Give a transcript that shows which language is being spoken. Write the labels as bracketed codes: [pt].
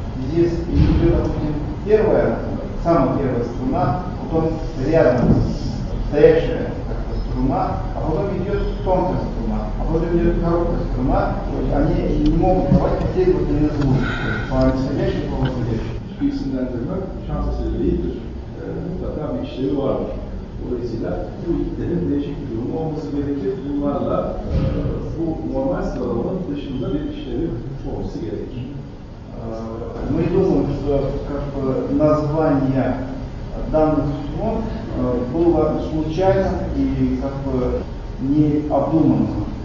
[ru] Здесь идет, допустим, первая, самая первая струна, потом рядом стоящая как-то струна, а потом идет тонкая струна, а потом идет короткая струна, то есть они не могут давать последовательный звук по исходящим и по восходящим. [tr] İsimlendirmek şans eseri değildir. Mutlaka bir işlevi vardır. Dolayısıyla bu iktidarın değişik bir durumu olması gerekir. Bunlarla bu normal sıralamanın dışında bir işlevi olması gerekir. [ru] Мы думаем, что как бы название данных струн было случайно и как бы не обдуманно.